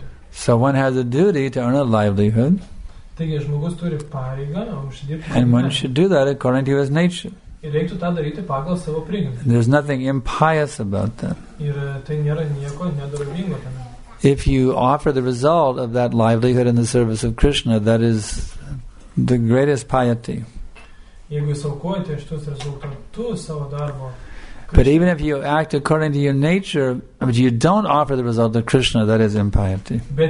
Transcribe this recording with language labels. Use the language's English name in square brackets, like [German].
[English] So one has a duty to earn a livelihood, and one should do that according to his nature. [Lithuanian] Ir reiktų tą daryti pagal savo prigimtį. [English] There's nothing impious about that. [Lithuanian] Ir tai nėra nieko nedorovingo tame. [English] If you offer the result of that livelihood in the service of Krishna, that is the greatest piety. But even if you act according to your nature, but you don't offer the result of Krishna, that is impiety.